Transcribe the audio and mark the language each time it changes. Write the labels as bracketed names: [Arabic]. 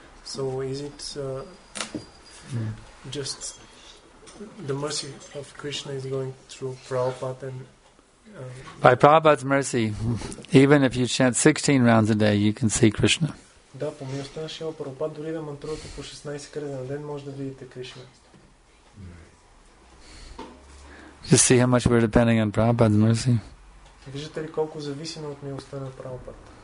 [English] So is it just the mercy of Krishna is going through Prabhupada and by Prabhupada's mercy, even if you chant 16 rounds a day, you can see Krishna. [Bulgarian] Да, по милостта на Шрила Прабхупада, дори да мантрувате по 16 кръга на ден, може да видите Кришна. [English] Just see how much we're depending on Prabhupada's mercy. [Bulgarian] Виждате ли колко зависимо от милостта на Прабхупада?